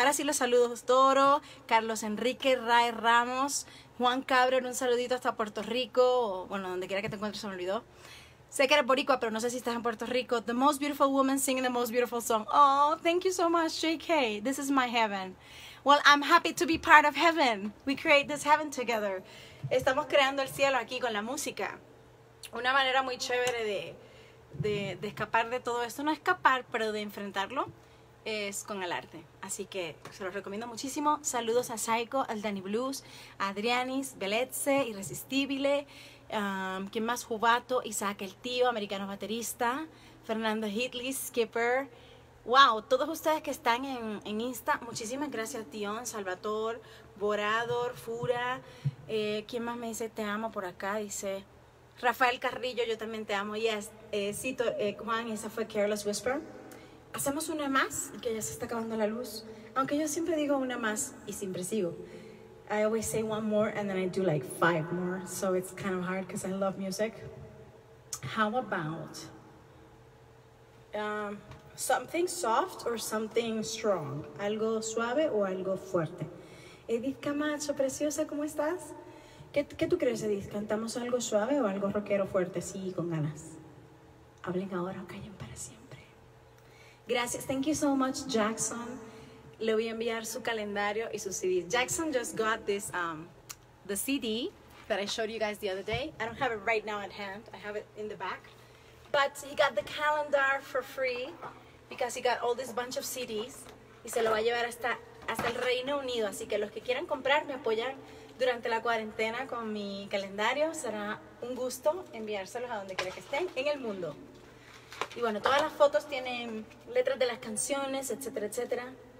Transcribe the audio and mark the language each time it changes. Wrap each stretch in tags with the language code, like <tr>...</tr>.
<es>Ahora sí los saludos, Toro, Carlos Enrique, Rae Ramos, Juan Cabrón, un saludito hasta Puerto Rico, o, bueno, donde quiera que te encuentres, se me olvidó. Sé que eres boricua, pero no sé si estás en Puerto Rico.</es> <en>The most beautiful woman singing the most beautiful song. Oh, thank you so much, JK. This is my heaven. Well, I'm happy to be part of heaven. We create this heaven together.</en> <es>Estamos creando el cielo aquí con la música. Una manera muy chévere de escapar de todo esto. No escapar, pero de enfrentarlo es con el arte. Así que se los recomiendo muchísimo. Saludos a Psycho, al Danny Blues, a Adrianis, Beletze, Irresistible. ¿Quién más? Jubato, Isaac el Tío, Americano Baterista, Fernando Hitley, Skipper. Wow, todos ustedes que están en Insta, muchísimas gracias, Tion, Salvatore, Borador, Fura. ¿Quién más me dice te amo por acá? Dice Rafael Carrillo, yo también te amo. Yes, cito, Juan, esa fue Careless Whisper. Hacemos una más, que ya se está acabando la luz. Aunque yo siempre digo una más y siempre sigo.</es> <en>I always say one more and then I do like five more. So it's kind of hard because I love music. How about something soft or something strong?</en> <es>¿Algo suave o algo fuerte? Edith Camacho, preciosa, ¿cómo estás? ¿Qué tú crees, Edith? ¿Cantamos algo suave o algo rockero fuerte? Sí, con ganas. Hablen ahora o callen para siempre. Gracias.</es> <en>Thank you so much, Jackson.</en> <es>Le voy a enviar su calendario y su CD.</es> <en>Jackson just got this, the CD that I showed you guys the other day. I don't have it right now at hand. I have it in the back. But he got the calendar for free because he got all this bunch of CDs.</en> <es>Y se lo va a llevar hasta el Reino Unido. Así que los que quieran comprar, me apoyan durante la cuarentena con mi calendario. Será un gusto enviárselos a donde quiera que estén en el mundo. Y bueno, todas las fotos tienen letras de las canciones, etcétera, etcétera.</es>